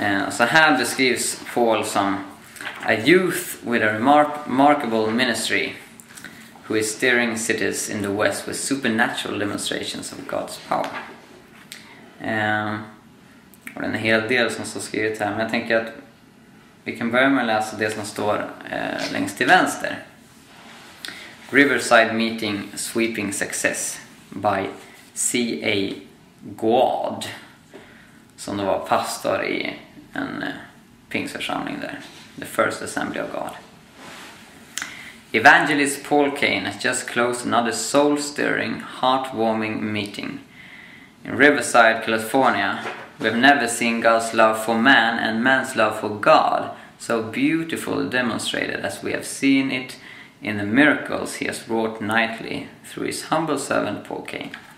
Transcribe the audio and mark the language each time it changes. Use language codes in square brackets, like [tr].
[sv] Så här beskrivs Paul som [en] a youth with a remarkable ministry who is stirring cities in the West with supernatural demonstrations of God's power. [sv] Och det är en hel del som står skrivet här, men jag tänker att vi kan börja med att läsa det som står längst till vänster. [en] Riverside Meeting Sweeping Success by C.A. [sv] Guad, som då var pastor i en pingstförsamling där. [en] The First Assembly of God. Evangelist Paul Kane has just closed another soul-stirring, heartwarming meeting. In Riverside, California, we have never seen God's love for man and man's love for God so beautifully demonstrated as we have seen it in the miracles he has wrought nightly through his humble servant Paul Kane.